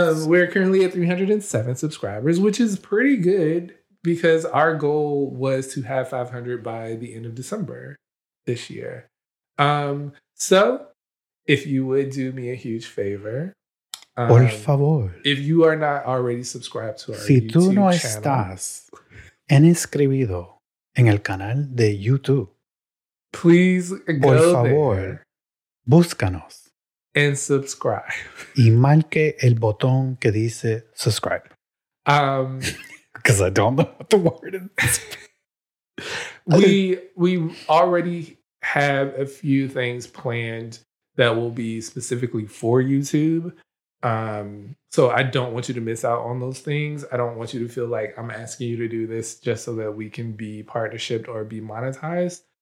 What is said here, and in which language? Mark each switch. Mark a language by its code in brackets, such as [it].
[en] We're currently at 307 subscribers, which is pretty good. Because our goal was to have 500 by the end of December this year. So, if you would do me a huge favor. [es] Por favor. [en] If you are not already subscribed to our YouTube channel. [es] Si tú no estás inscrito en el canal de YouTube. [en] Please go there. [es] Por favor, búscanos. [en] And subscribe. [es] Y marque el botón que dice subscribe. [en] Because I don't know what the word is. We already have a few things planned that will be specifically for YouTube. So I don't want you to miss out on those things. I don't want you to feel like I'm asking you to do this just so that we can be partnershiped or be monetized.